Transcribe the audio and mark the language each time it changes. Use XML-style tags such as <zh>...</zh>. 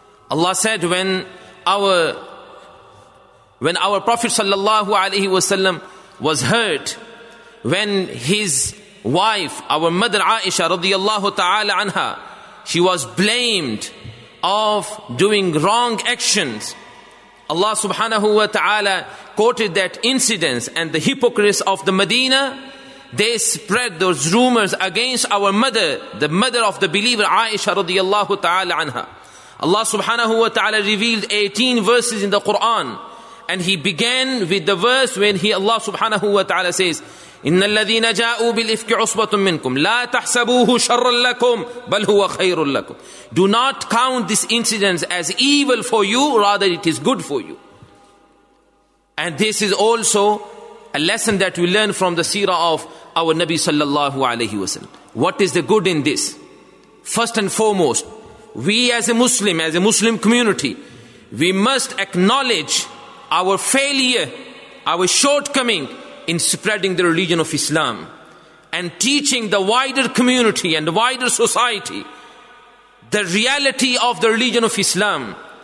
<en>Allah said when our Prophet sallallahu alayhi wa sallam was hurt, when his wife, our mother Aisha radiallahu ta'ala anha, she was blamed of doing wrong actions, Allah subhanahu wa ta'ala quoted that incident and the hypocrites of the Medina, they spread those rumors against our mother, the mother of the believer Aisha radiallahu ta'ala anha. Allah subhanahu wa ta'ala revealed 18 verses in the Quran, and he began with the verse when Allah subhanahu wa ta'ala says,</en> <ar>إن الذين جاءوا بالإفك عصبة منكم لا تحسبوه شرا لكم بل هو خير لكم.</ar> <en>Do not count this incident as evil for you, rather it is good for you. And this is also a lesson that we learn from the seerah of our Nabi sallallahu alayhi wasallam. What is the good in this? First and foremost, we as a Muslim community, we must acknowledge our failure, our shortcoming in spreading the religion of Islam and teaching the wider community and the wider society the reality of the religion of Islam.</en>